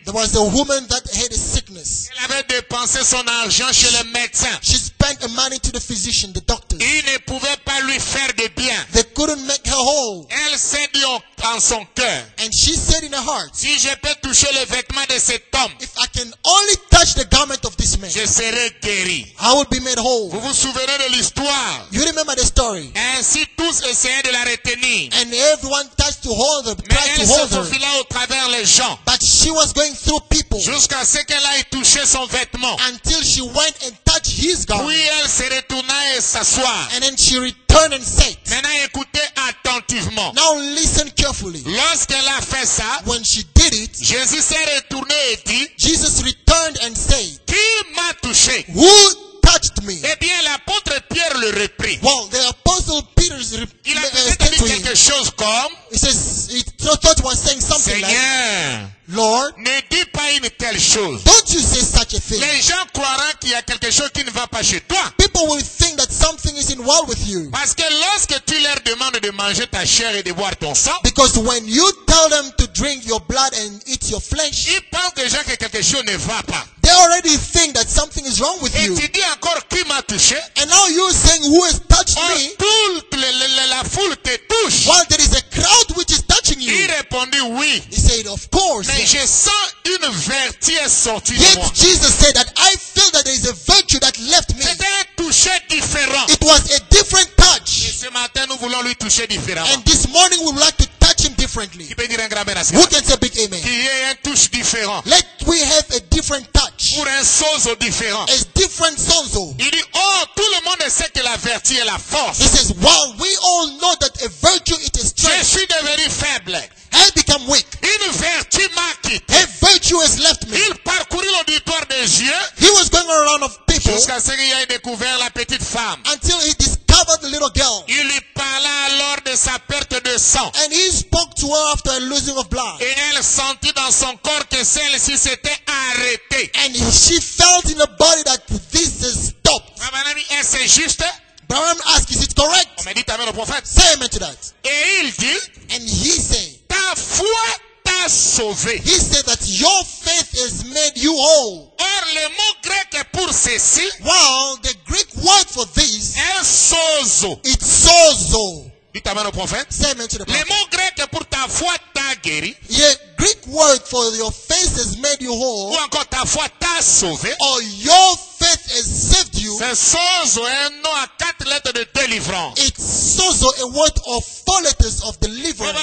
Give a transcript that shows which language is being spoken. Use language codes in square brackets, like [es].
[en] There was a woman that had a sickness. [fr] Elle avait dépensé son argent chez le médecin. [en] She spent the money to the physician, the doctor. [fr] Il ne pouvait pas lui faire de bien. [en] They couldn't make her whole. [fr] Elle s'est dit en son cœur. [en] And she said in her heart. [fr] Si je peux toucher le vêtement de cet homme. [en] If I can only touch the garment of this man. [fr] Je serai guéri. [en] I will be made whole. [fr] Vous vous souvenez? De l'histoire. [en] You remember the story. [fr] Ainsi tous essayaient de la retenir. [en] And everyone touched to hold her. [fr] Mais elle se faufila au travers les gens. [en] But she she was going through people. [fr] Jusqu'à ce qu'elle ait touché son vêtement. [en] Until she went and touched his garment. [fr] Puis elle se retourna et s'assoit. [en] And then she returned and sat. [fr] Maintenant écoutez attentivement. [en] Now listen carefully. [fr] Lorsqu'elle a fait ça, [en] when she did it, [fr] Jésus s'est retourné et dit, [en] Jesus returned and said, [fr] qui m'a touché? [en] Who touched me? [fr] Eh bien l'apôtre Pierre le reprit. [en] Well, the apostle Peter's [fr] il a dit quelque chose comme, [en] he says, he thought was saying something [fr] Seigneur, [en] like, Lord, [fr] ne dis pas une telle chose. [en] Don't you say such a thing. [fr] Les gens croiront qu'il y a quelque chose qui ne va pas chez toi. [en] People will think that something is in well with you. [fr] Parce que lorsque tu leur demandes de manger ta chair et de boire ton sang, [en] because when you tell them to drink your blood and eat your flesh, [fr] ils pensent déjà que quelque chose ne va pas. [en] They already think that something is wrong with [fr] et [en] you. [fr] Et tu dis encore qui m'a touché? [en] And now you're saying who has touched or me? [fr] La foule te touche. [en] While there is a crowd which is touching you. [fr] Il répondit oui. [en] He said of course. [fr] Mais je sens une vertu est sortie [en] yet [fr] de moi. [en] Jesus said that I feel that there is a virtue that left me. [fr] C'était un toucher différent. [en] It was a different touch. [fr] Et ce matin, nous voulons lui toucher différemment. [en] And this morning we would like to touch him differently. [fr] Qui peut dire un grand merci? [en] Who can say big amen? [fr] Qu'il y ait un touche différent. [en] Let we have a different touch. [fr] Pour un sozo différent. [en] A different sozo. [fr] Il dit, oh, tout le monde sait que la vertu est la force. [en] He says, well, we all know that a virtue it is strength. [fr] Je suis devenu faible. [en] I become weak. [fr] Une vertu m'a quitté. [en] A virtue has left me. [fr] Il parcourut l'auditoire des yeux. [en] He was going around of people. [fr] Jusqu'à ce qu'il ait découvert la petite femme. [en] Until he discovered the little girl. [fr] Il lui parla alors de sa perte de sang. [en] And he spoke to her after a losing of blood. [fr] Et elle sentit dans son corps que celle-ci s'était arrêtée. [en] And she felt in her body that this has stopped. [fr] Ma mon ami, est-ce juste? [en] Abraham asked, is it correct? [fr] On m'a dit amen au prophète. [en] Say amen to that. [fr] Et il dit. [en] And he said. [fr] Ta foi t'a sauvé. [en] He said that your faith has made you whole. [fr] Or le mot grec est pour ceci. [en] Well, the Greek word for this [fr] est sozo. [en] It's sozo. [fr] Dites amen au prophète. [en] Say amen to the prophet. [fr] Le mot grec est pour ta foi t'a guéri. [en] Yeah, Greek word for your faith has made you whole. [fr] Ou encore ta foi t'a sauvé. [en] Or your faith has saved you. [fr] C'est sozo, un nom à quatre lettres de délivrance. [en] It's sozo, a word of four letters of deliverance.